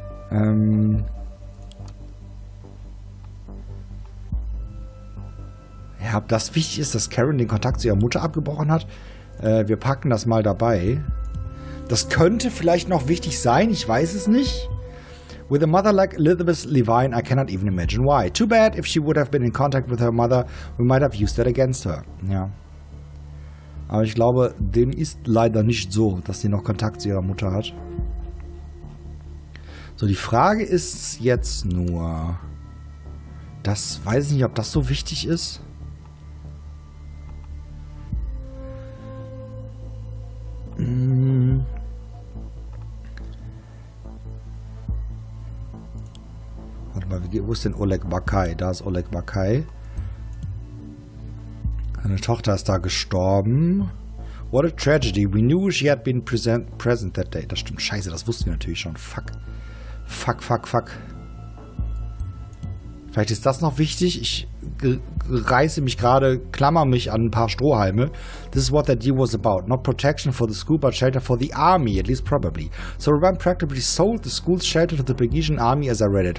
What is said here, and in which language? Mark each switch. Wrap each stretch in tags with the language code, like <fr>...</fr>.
<de>Ja, das wichtig ist, dass Karen den Kontakt zu ihrer Mutter abgebrochen hat. Wir packen das mal dabei. Das könnte vielleicht noch wichtig sein, ich weiß es nicht.</de> <en>With a mother like Elizabeth Levine, I cannot even imagine why. Too bad, if she would have been in contact with her mother, we might have used that against her.</en> <de>Ja. Aber ich glaube, dem ist leider nicht so, dass sie noch Kontakt zu ihrer Mutter hat. So, die Frage ist jetzt nur, das weiß ich nicht, ob das so wichtig ist. Warte mal, wo ist denn Oleg Bakay? Da ist Oleg Bakay. Seine Tochter ist da gestorben.</de> <en>What a tragedy. We knew she had been present that day.</en> <de>Das stimmt. Scheiße, das wussten wir natürlich schon. Fuck. Fuck, fuck, fuck. Vielleicht ist das noch wichtig. Ich reiße mich gerade, klammer mich an ein paar Strohhalme.</de> <en>This is what that deal was about. Not protection for the school, but shelter for the army, at least probably. So Ruben practically sold the school's shelter to the Belgian army as I read it.</en>